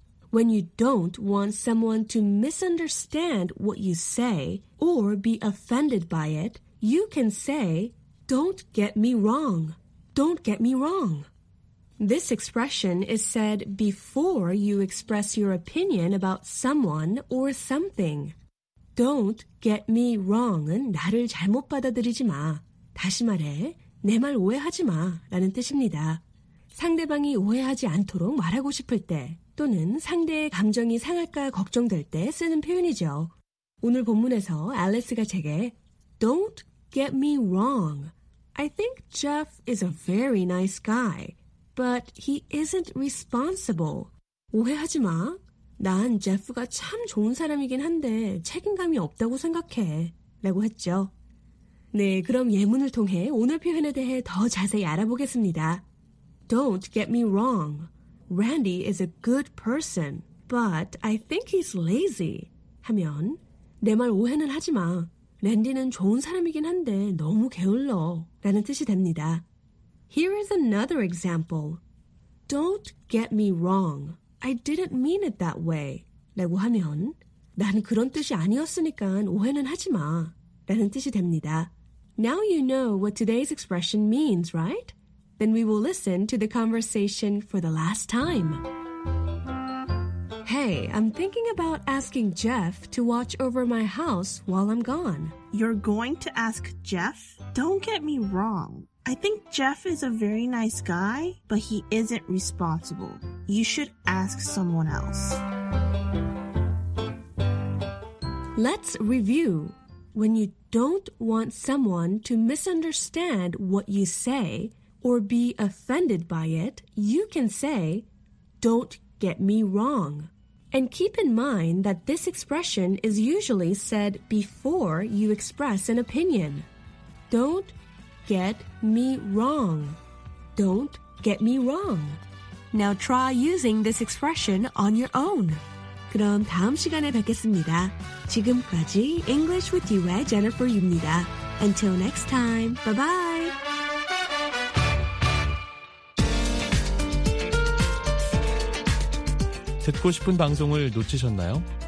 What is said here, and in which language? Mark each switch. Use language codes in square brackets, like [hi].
[en] When you don't want someone to misunderstand what you say or be offended by it, you can say, don't get me wrong. Don't get me wrong. This expression is said before you express your opinion about someone or something. [ko] Don't get me wrong 은 나를 잘못 받아들이지 마. 다시 말해, 내 말 오해하지 마 라는 뜻입니다. 상대방이 오해하지 않도록 말하고 싶을 때 또는 상대의 감정이 상할까 걱정될 때 쓰는 표현이죠. 오늘 본문에서 앨리스가 제게 [en] Don't get me wrong. I think Jeff is a very nice guy, but he isn't responsible. [ko] 오해하지 마. 난 제프가 참 좋은 사람이긴 한데 책임감이 없다고 생각해 라고 했죠. 네, 그럼 예문을 통해 오늘 표현에 대해 더 자세히 알아보겠습니다. [en] Don't get me wrong. Randy is a good person, but I think he's lazy. [ko] 하면, 내 말 오해는 하지 마. 랜디는 좋은 사람이긴 한데 너무 게을러. 라는 뜻이 됩니다. [en] Here is another example. Don't get me wrong. I didn't mean it that way. [ko] 라고 하면, 난 그런 뜻이 아니었으니까 오해는 하지 마. 라는 뜻이 됩니다. [en] Now you know what today's expression means, right? Then we will listen to the conversation for the last time. Hey, I'm thinking about asking Jeff to watch over my house while I'm gone. You're going to ask Jeff? Don't get me wrong. I think Jeff is a very nice guy, but he isn't responsible. You should ask someone else. Let's review. When you don't want someone to misunderstand what you say or be offended by it, you can say, don't get me wrong. And keep in mind that this expression is usually said before you express an opinion. Don't get me wrong. Don't get me wrong. Now try using this expression on your own. [ko] 그럼 다음 시간에 뵙겠습니다. 지금까지 English with you의 Jennifer입니다. [en] Until next time, bye-bye! [ko] 듣고 싶은 방송을 놓치셨나요?